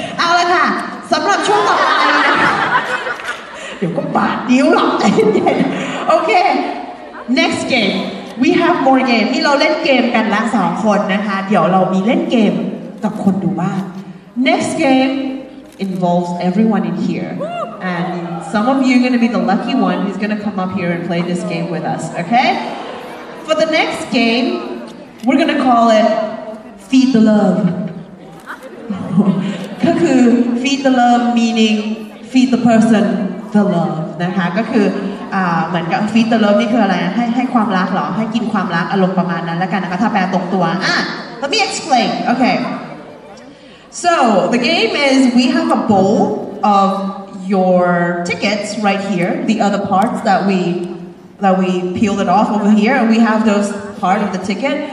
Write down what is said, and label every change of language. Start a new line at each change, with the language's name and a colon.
Thai: เอาละค่ะสำหรับช่วงต่อไปเดี๋ยวก็บาดนิ้วหรอกใจเย็นๆ
English: Okay. Next game. We have more game.
Thai: นี่เราเล่นเกมกันละสองคนนะคะเดี๋ยวเรามีเล่นเกมกับคนดูบ้าง
English: Next game. Involves everyone in here, and some of you are going to be the lucky one who's going to come up here and play this game with us. Okay? For the next game, we're going to call it Feed the Love.
Thai: ก็คือ
English: Feed the Love meaning feed the person the love
Thai: นะคะก็คือเหมือนกับ Feed the Love นี่คืออะไรให้ความรักหรอให้กินความรักอารมณ์ประมาณนั้นแล้วกันนะคะถ้าแปลตรงตัว
English: Let me explain. Okay. So, the game is we have a bowl of your tickets right here, the other parts that we peeled it off over here, and we have those part of the ticket.